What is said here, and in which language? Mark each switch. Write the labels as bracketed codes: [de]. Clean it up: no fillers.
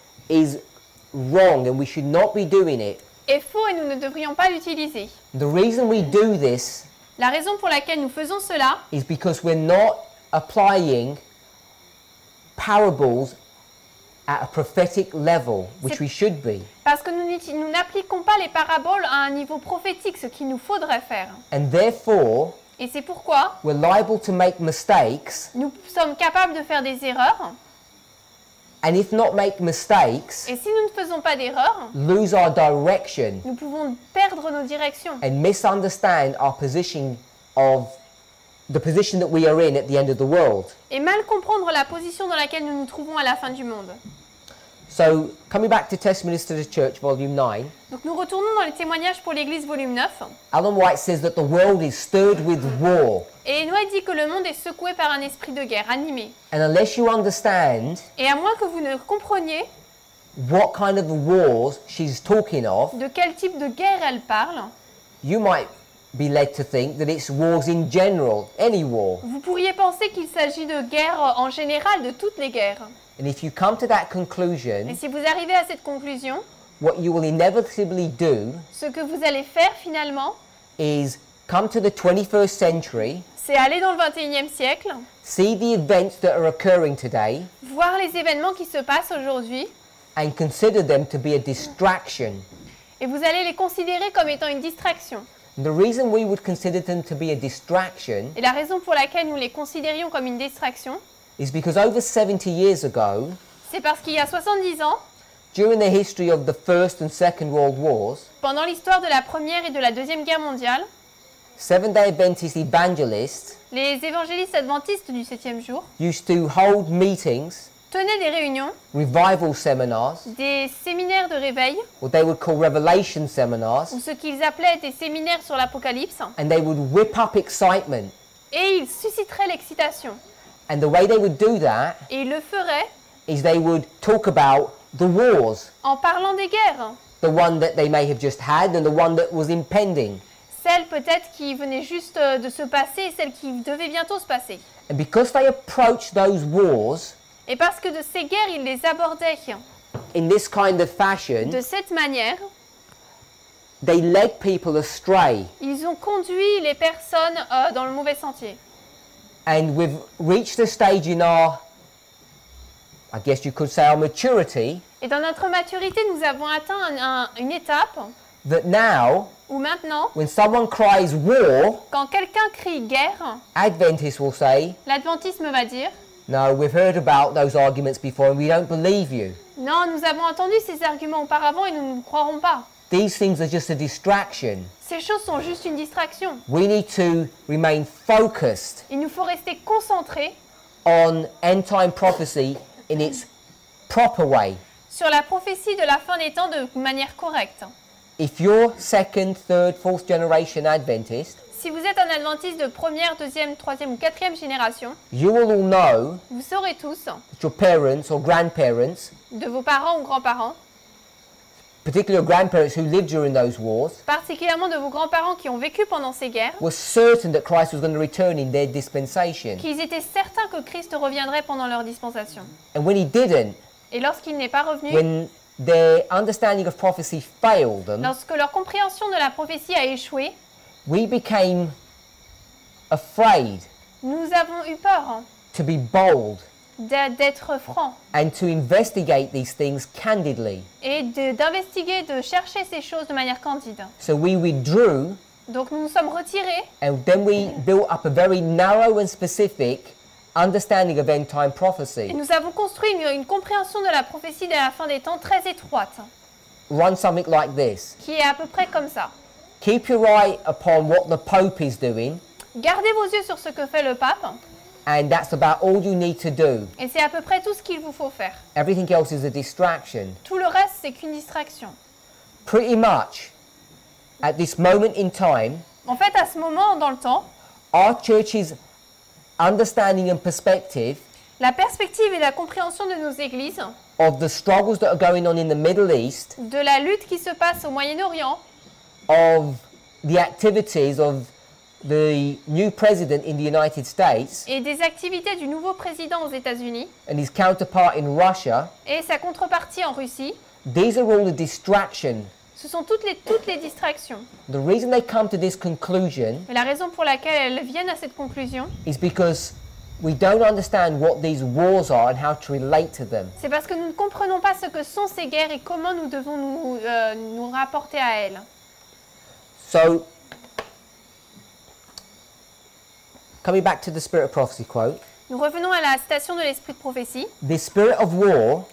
[en] Is wrong, and we should not be doing it. [fr] Est faux et nous ne devrions pas l'utiliser. [en] The reason we do this. [fr] La raison pour laquelle nous faisons cela. [en] Is because we're not applying parables at a prophetic level, which we should be. [fr] Parce que nous n'appliquons pas les paraboles à un niveau prophétique, ce qu'il nous faudrait faire. [en] And therefore. [fr] Et c'est pourquoi. [en] We're liable to make mistakes. [fr] Nous sommes capables de faire des erreurs. [en] And if not make mistakes, [fr] et si nous ne faisons pas d'erreurs, [en] lose our direction, [fr] nous pouvons perdre nos directions, [en] and misunderstand our position of the position that we are in at the end of the world, [fr] et mal comprendre la position dans laquelle nous nous trouvons à la fin du monde. [en] So, coming back to Testimonies to the Church, volume 9. [fr] Donc nous retournons dans les témoignages pour l'Église, volume 9. [en] Ellen White says that the world is stirred with war. [fr] Et Ellen White dit que le monde est secoué par un esprit de guerre animé. [en] And unless you understand. [fr] Et à moins que vous ne compreniez. [en] What kind of wars she's talking of. [fr] De quel type de guerre elle parle. [en] You might be led to think that it's wars in general, any war. [fr] Vous pourriez penser qu'il s'agit de guerres en général, de toutes les guerres. [en] And if you come to that conclusion, [fr] et si vous arrivez à cette conclusion, [en] what you will inevitably do, [fr] ce que vous allez faire finalement, [en] is come to the 21st century, [fr] c'est aller dans le 21e siècle, [en] see the events that are occurring today, [fr] voir les événements qui se passent aujourd'hui, [en] and consider them to be a distraction. [fr] Et vous allez les considérer comme étant une distraction. [en] And the reason we would consider them to be a distraction, [fr] et la raison pour laquelle nous les considérions comme une distraction, [en] is because over 70 years ago, [fr] c'est parce qu'il y a 70 ans, [en] during the history of the First and Second World Wars, [fr] pendant l'histoire de la Première et de la Deuxième Guerre mondiale, [en] Seventh-day Adventist evangelists, [fr] les évangélistes adventistes du septième jour, [en] used to hold meetings, [fr] tenaient des réunions, [en] revival seminars, [fr] des séminaires de réveil, [en] what they would call revelation seminars, [fr] ou ce qu'ils appelaient des séminaires sur l'Apocalypse, [en] and they would whip up excitement, [fr] et ils susciteraient l'excitation. [en] And the way they would do that, [fr] et ils le feraient, [en] is they would talk about the wars, [fr] en parlant des guerres, [en] the one that they may have just had and the one that was impending, [fr] celle peut-être qui venait juste de se passer et celle qui devait bientôt se passer. [en] And because they approached those wars, [fr] et parce que de ces guerres ils les abordaient, [en] in this kind of fashion, [fr] de cette manière, [en] they led people astray. [fr] Ils ont conduit les personnes dans le mauvais sentier. [en] And we've reached a stage in our, I guess you could say, our maturity. [fr] Et dans notre maturité, nous avons atteint une étape. [en] That now, [fr] ou maintenant, [en] when someone cries war, [fr] quand quelqu'un crie guerre, [en] Adventists will say, [fr] l'adventisme va dire, [en] no, we've heard about those arguments before and we don't believe you. [fr] Non, nous avons entendu ces arguments auparavant et nous ne croirons pas. [en] These things are just a distraction. [fr] Ces choses sont juste une distraction. [en] We need to remain focused. [fr] Il nous faut rester concentré. [en] On end time prophecy in its proper way. [fr] Sur la prophétie de la fin des temps de manière correcte. [en] If you're second, third, fourth generation Adventist, [fr] si vous êtes un Adventiste de première, deuxième, troisième ou quatrième génération, [en] you will all know. [fr] Vous saurez tous. [en] Your parents or grandparents. [fr] De vos parents ou grands-parents. [en] Particularly your grandparents who lived during those wars, [fr] particulièrement de vos grands-parents qui ont vécu pendant ces guerres, [en] were certain that Christ was going to return in their dispensation. [fr] Qu'ils étaient certains que Christ reviendrait pendant leur dispensation. [en] And when he didn't, [fr] et lorsqu'il n'est pas revenu, [en] when their understanding of prophecy failed them, [fr] lorsque leur compréhension de la prophétie a échoué, [en] we became afraid. [fr] Nous avons eu peur. [en] To be bold. [fr] D'être franc. [en] And to investigate these things candidly. [fr] Et d'investiguer, de chercher ces choses de manière candide. [en] So we withdrew. [fr] Donc nous nous sommes retirés. [en] And then we built up a very narrow and specific understanding of end time prophecy. [fr] Et nous avons construit une compréhension de la prophétie de la fin des temps très étroite. [en] Run something like this. [fr] Qui est à peu près comme ça. [en] Keep your eye upon what the Pope is doing. [fr] Gardez vos yeux sur ce que fait le pape. [en] And that's about all you need to do. [fr] Et c'est à peu près tout ce qu'il vous faut faire. [en] Everything else is a distraction. [fr] Tout le reste c'est qu'une distraction. [en] Pretty much at this moment in time. [fr] En fait à ce moment dans le temps, [en] our church's understanding and perspective. [fr] La perspective et la compréhension de nos églises. [en] Of the struggles that are going on in the Middle East. [fr] De la lutte qui se passe au Moyen-Orient. [en] Of the activities of the new president in the United States. [fr] Et des activités du nouveau président aux États-Unis. [en] And his counterpart in Russia. [fr] Et sa contrepartie en Russie. [en] These are all the distractions. [fr] Ce sont toutes les distractions. [en] The reason they come to this conclusion. [fr] Et la raison pour laquelle elles viennent à cette conclusion. [en] Is because we don't understand what these wars are and how to relate to them. [fr] C'est parce que nous ne comprenons pas ce que sont ces guerres et comment nous devons nous rapporter à elles. [en] So, coming back to the spirit of prophecy quote. [fr] Nous revenons à la citation de l'esprit de prophétie. [en] The spirit of war.